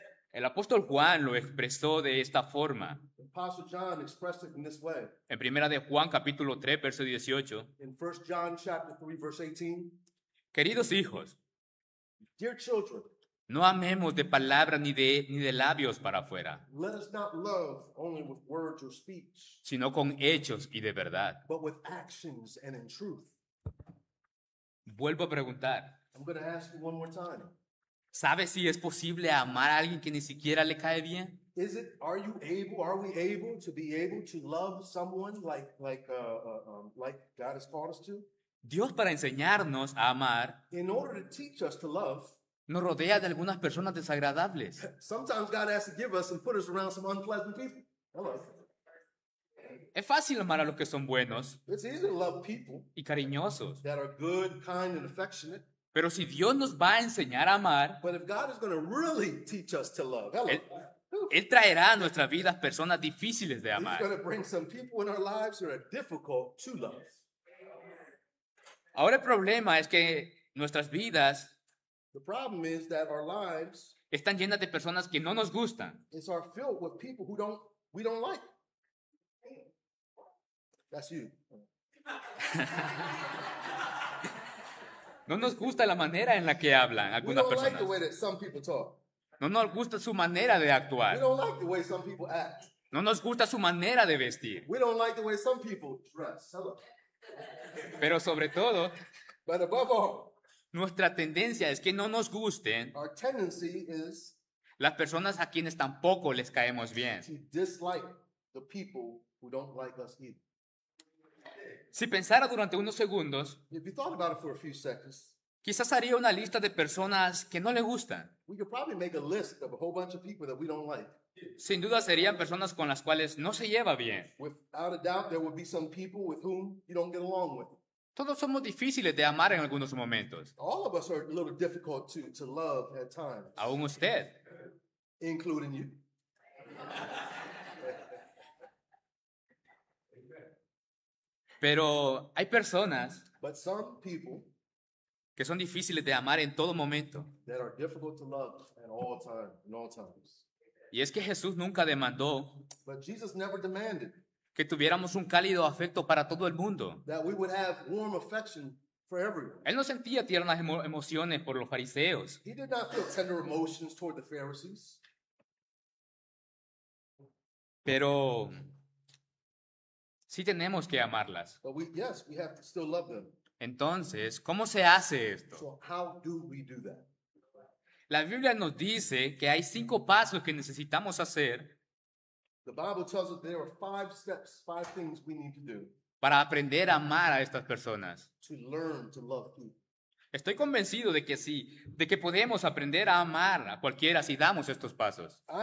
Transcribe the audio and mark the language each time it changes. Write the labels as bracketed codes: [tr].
[es] El apóstol Juan lo expresó de esta forma. [en] Apostle John expressed it in this way. [es] En primera de Juan capítulo 3 verso 18. [en] In 1 John chapter 3 verse 18. [es] Queridos hijos. [en] Dear children. [es] No amemos de palabra ni de labios para afuera. [en] Let us not love only with words or speech. [es] Sino con hechos y de verdad. [en] But with actions and in truth. [es] Vuelvo a preguntar. [en] I'm going to ask you one more time. [es] ¿Sabes si es posible amar a alguien que ni siquiera le cae bien? [en] Is it, are you able, are we able to be able to love someone like God has called us to? [es] Dios, para enseñarnos a amar, [en] in order to teach us to love, [es] nos rodea de algunas personas desagradables. [en] Sometimes God has to give us and put us around some unpleasant people. Hello. [es] Es fácil amar a los que son buenos. [en] It's easy to love people. [es] Y cariñosos. [en] That are good, kind, and affectionate. [es] Pero si Dios nos va a enseñar a amar, [en] but if God is going to really teach us to love, hello. [es] Él traerá a nuestras vidas personas difíciles de amar. [en] He's going to bring some people in our lives that are difficult to love. [es] Ahora el problema es que nuestras vidas, [en] the problem is that our lives, [es] Están llenas de personas que no nos gustan. [en] It's are filled with people who don't we don't like. That's you. [es] No nos gusta la manera en la que hablan algunas personas. [en] We don't like the way that some people talk. [es] No nos gusta su manera de actuar. [en] We don't like the way some people act. [es] No nos gusta su manera de vestir. [en] We don't like the way some people dress. Hello. [es] Pero sobre todo, [en] but above all, [es] nuestra tendencia es que no nos gusten [en] our tendency is [es] las personas a quienes tampoco les caemos bien. [en] To dislike the people who don't like us either. [es] Si pensara durante unos segundos, [en] if you thought about it for a few seconds, [es] quizás haría una lista de personas que no le gustan. [en] We could probably make a list of a whole bunch of people that we don't like. [es] Sin duda serían personas con las cuales no se lleva bien. [en] Without a doubt, there would be some people with whom you don't get along with. [es] Todos somos difíciles de amar en algunos momentos. [en] All of us are a little difficult to love at times. [es] Aún usted. [en] Including you. [es] Pero hay personas, [en] but some people, [es] que son difíciles de amar en todo momento. [en] That are difficult to love at all time, in all times. [es] Y es que Jesús nunca demandó [en] but Jesus never demanded [es] que tuviéramos un cálido afecto para todo el mundo. [en] That we would have warm affection for everyone. [es] Él no sentía tiernas emociones por los fariseos. [en] He did not feel tender emotions toward the Pharisees. [es] Pero sí tenemos que amarlas. [en] But we, yes, we have to still love them. [es] Entonces, ¿cómo se hace esto? [en] So how do we do that? [es] La Biblia nos dice que hay cinco pasos que necesitamos hacer para aprender a amar a estas personas. [en] To learn to love people. [es] Estoy convencido de que sí, de que podemos aprender a amar a cualquiera si damos estos pasos.